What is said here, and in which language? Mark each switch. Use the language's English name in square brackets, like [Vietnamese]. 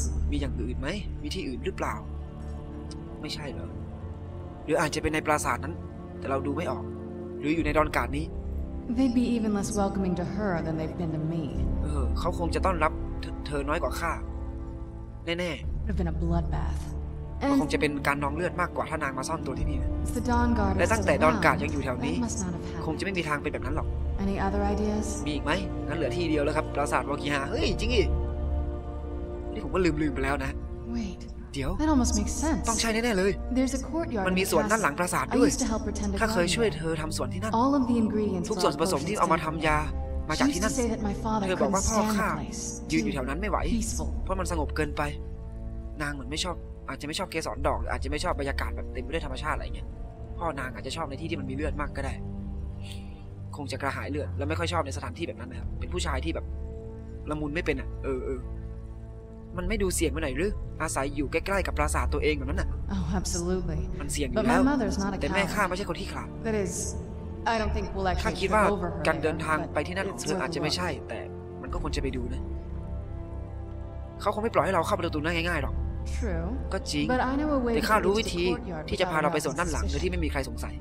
[Thai] มีอย่างอื่นไหมมีที่อื่นหรือเปล่าไม่ใช่เหรอหรืออาจจะเป็นในปราสาทนั้นแต่เราดูไม่ออกหรืออยู่ในดอนการ์ดนี้ [English] They'd be even less welcoming to her than they've been to me. [Thai] เขาคงจะต้อนรับเธอน้อยกว่าข้าแน่ๆ [English] It'd have been a bloodbath. [Thai] มันคงจะเป็นการนองเลือดมากกว่าถ้านางมาซ่อนตัวที่นี่ [English] The Dawn Guard. [Thai] และตั้งแต่ดอนการ์ดยังอยู่แถวนี้คงจะไม่มีทางเป็นแบบนั้นหรอก [English] Any other ideas? [Thai] มีอีกไหมงั้นเหลือที่เดียวแล้วครับปราสาทวอคิฮาเฮ้ยจริงดินี่ผมก็ลืมไปแล้วนะ [English] Wait. That almost makes sense. [Thai] ต้องใช่แน่ๆเลย [English] There's a courtyard. [Thai] มันมีสวนด้านหลังปราสาทด้วยข้ าเคยช่วยเธอทำสวนที่นั่น [English] All of the ingredients. [Thai] ทุกส่วนผสมที่เอามาทำยามาจากที่นั่นเธอบอกว่าพ่อข้ายืนอยู่แถวนั้นไม่ไหวเพราะมันสงบเกินไปนางเหมือนไม่ชอบอาจจะไม่ชอบเกสรดอกอาจจะไม่ชอบบรรยากาศแบบเต็มไปด้วยธรรมชาติอะไรเงี้ยพ่อนางอาจจะชอบในที่ที่มันมีเลือดมากก็ได้คงจะกระหายเลือดและไม่ค่อยชอบในสถานที่แบบนั้นนะครับเป็นผู้ชายที่แบบละมุนไม่เป็นอ่ะเออมันไม่ดูเสี่ยงไปหน่อยหรืออาศัยอยู่ใกล้ๆกับปราสาทตัวเองแบบนั้นน่ะ [English] Oh absolutely [Thai] มันเสี่ยงอยู่แล้วแต่แม่ข้าไม่ใช่คนที่ขลาด [English] That is I don't think we'll actually [Thai] คิดว่าการเดินทางไปที่นั่นของเธออาจจะไม่ใช่แต่มันก็ควรจะไปดูนะเขาคงไม่ปล่อยให้เราเข้าประตูนั้นง่ายๆหรอก [English] True [Thai] ก็จริง [English] But I know a way [Thai] แต่ข้ารู้วิธีที่จะพาเราไปส่วนด้านหลังโดยที่ไม่มีใครสงสัย